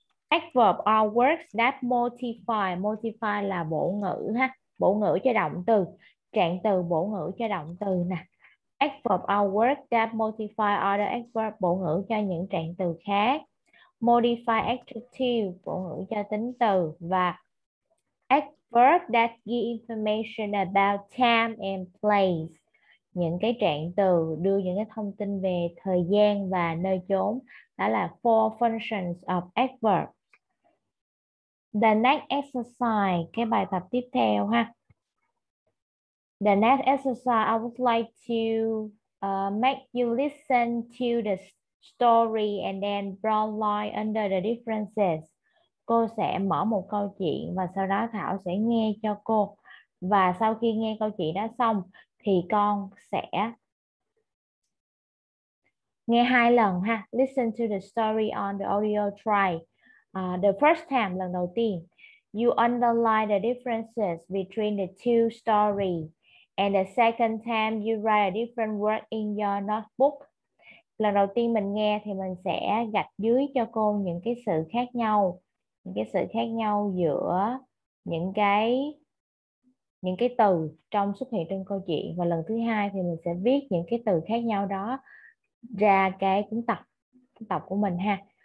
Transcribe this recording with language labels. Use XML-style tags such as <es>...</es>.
<en>Adverb are words that modify.</en> <vi>Modify là bổ ngữ ha. Bổ ngữ cho động từ. Trạng từ bổ ngữ cho động từ nè.</vi> <en>Adverb are words that modify other adverb,</en> <vi>bổ ngữ cho những trạng từ khác.</vi> <en>Modify adjective,</en> <vi>bổ ngữ cho tính từ. Và</vi> <en>verb that give information about time and place.</en> <vi>Những cái trạng từ đưa những cái thông tin về thời gian và nơi chốn. Đó là</vi> <en>four functions of adverb. The next exercise,</en> <vi>cái bài tập tiếp theo ha.</vi> <en>The next exercise, I would like to make you listen to the story and then draw line under the differences.</en> <vi>Cô sẽ mở một câu chuyện và sau đó Thảo sẽ nghe cho cô. Và sau khi nghe câu chuyện đó xong thì con sẽ nghe hai lần ha.</vi> <en>Listen to the story on the audio try. The first time,</en> <vi>lần đầu tiên.</vi> <en>You underline the differences between the two stories. And the second time, you write a different word in your notebook.</en> <vi>Lần đầu tiên mình nghe thì mình sẽ gạch dưới cho cô những cái sự khác nhau. Những cái sự khác nhau giữa những cái từ trong xuất hiện trong câu chuyện, và lần thứ hai thì mình sẽ viết những cái từ khác nhau đó ra cái cuốn tập của mình ha.</vi>